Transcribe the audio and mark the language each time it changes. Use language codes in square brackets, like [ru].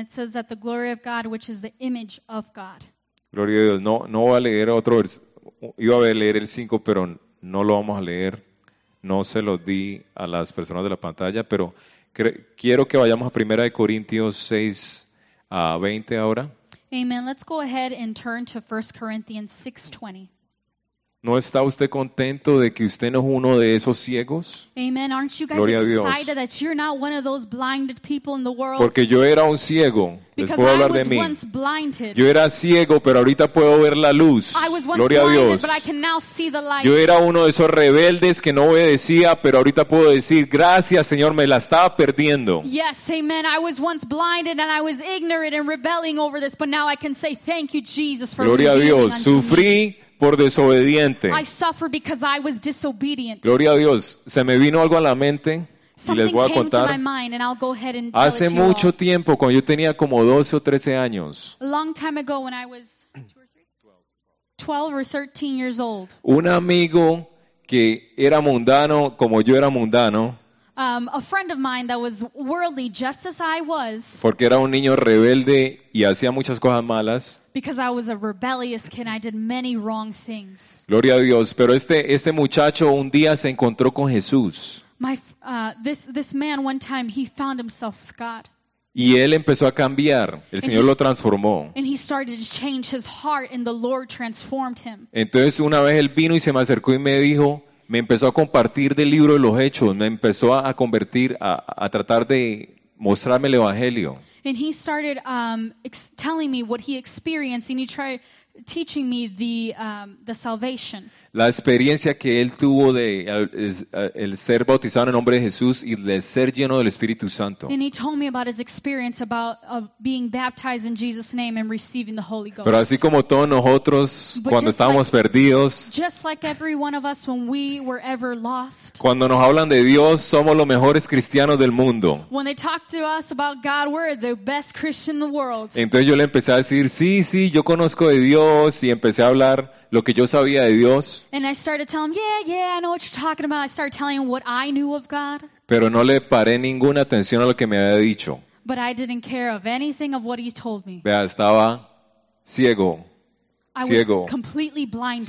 [en] It says that the glory of God, which is the image of God. [es] Gloria a Dios. No voy a leer otro versículo. Iba a leer el 5, pero no lo vamos a leer. No se lo di a las personas de la pantalla, pero quiero que vayamos a 1 Corintios 6 a 20 ahora. Amen. [en] Let's go ahead and turn to 1 Corinthians 6, 20. [es] ¿No está usted contento de que usted no es uno de esos ciegos? [en] Amen. Aren't you guys [es] gloria [en] excited that you're not one of those blinded people in the world? [es] Porque yo era un ciego. Les puedo hablar de mí. Yo era ciego, pero ahorita puedo ver la luz. Gloria [en] blinded, [es] a Dios. [en] But I can now see the light. [es] Yo era uno de esos rebeldes que no obedecía, pero ahorita puedo decir gracias, Señor, me la estaba perdiendo. [en] Yes, amen. I was once blinded and I was ignorant and rebelling over this, but now I can say thank you, Jesus, for [es] gloria a Dios. Sufrí por desobediente. [en] I suffer because I was disobedient. [es] Gloria a Dios. Se me vino algo a la mente y les voy a contar. Hace mucho tiempo, cuando yo tenía como 12 o 13 años. [en] A long time ago when I was 12 or 13 years old. [es] Un amigo que era mundano como yo era mundano. [en] A friend of mine that was worldly just as I was. [es] Porque era un niño rebelde y hacía muchas cosas malas. [en] Because I was a rebellious kid, I did many wrong things. [es] Gloria a Dios, pero este muchacho un día se encontró con Jesús. [en] This man one time he found himself with God. [es] Y él empezó a cambiar, el Señor lo transformó. [en] And he started to change his heart and the Lord transformed him. [es] Entonces una vez él vino y se me acercó y me dijo, me empezó a compartir del libro de los hechos, me empezó a convertir, a tratar de mostrarme el evangelio. [en] And he started telling me what he experienced and he tried teaching me the salvation. [es] La experiencia que él tuvo de el ser bautizado en el nombre de Jesús y de ser lleno del Espíritu Santo. [en] And he told me about his experience about of being baptized in Jesus' name and receiving the Holy Ghost. [es] Pero así como todos nosotros cuando estábamos perdidos. [en] Just like every one of us when we were ever lost. [es] Cuando nos hablan de Dios somos los mejores cristianos del mundo. [en] When they talk to us about God we're the best Christian in the world. [es] Entonces yo le empecé a decir, sí, yo conozco de Dios. Y empecé a hablar lo que yo sabía de Dios. [en] And I started telling him, yeah, I know what you're talking about. I started telling him what I knew of God. [es] Pero no le paré ninguna atención a lo que me había dicho. [en] But I didn't care of anything of what he told me. [es] Vea, estaba ciego. Ciego. [en] I was completely blinded.